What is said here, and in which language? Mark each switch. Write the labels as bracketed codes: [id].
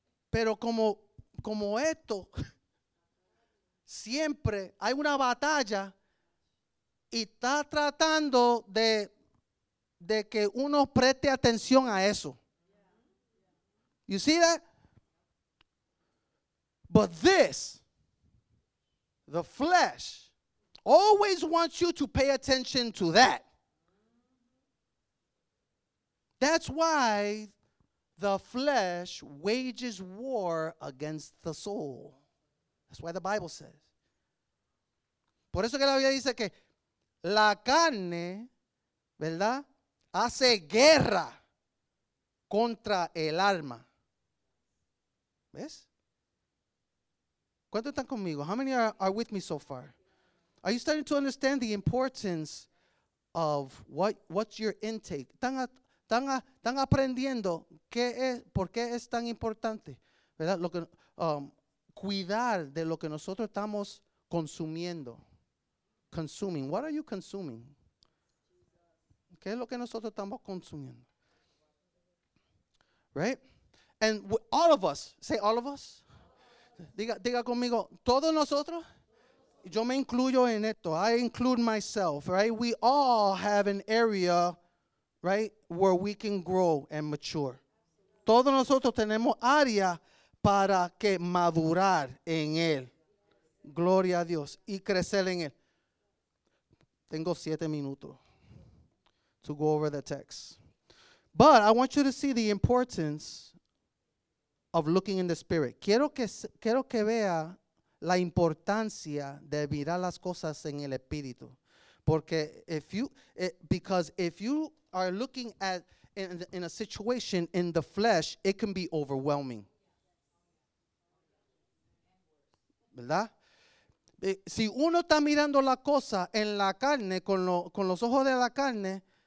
[es] Pero como esto, siempre hay una batalla y está tratando de que uno preste atención a eso. [en] You see that? But this, the flesh, always wants you to pay attention to that. That's why the flesh wages war against the soul. That's why the Bible says. [es] Por eso que la Biblia dice que la carne, ¿verdad?, hace guerra contra el alma. ¿Ves? ¿Cuántos están conmigo? [en] How many are with me so far? Are you starting to understand the importance of what's your intake? [es] ¿Están aprendiendo por qué es tan importante, ¿verdad? Cuidar de lo que nosotros estamos consumiendo. [en] Consuming. What are you consuming? [es] ¿Qué es lo que nosotros estamos consumiendo? [en] Right? And all of us, say all of us. [es] Diga conmigo, todos nosotros. Yo me incluyo en esto. [en] I include myself, right? We all have an area, right, where we can grow and mature. [es] Todos nosotros tenemos área para que madurar en él. Gloria a Dios. Y crecer en él. Tengo 7 minutos [en] to go over the text. But I want you to see the importance of looking in the spirit. [es] Quiero que vea la importancia de mirar las cosas en el espíritu. [en] Porque if you are looking at in a situation in the flesh, it can be overwhelming. [es] ¿Verdad? Si uno está mirando la cosa en la carne, con los ojos de la carne,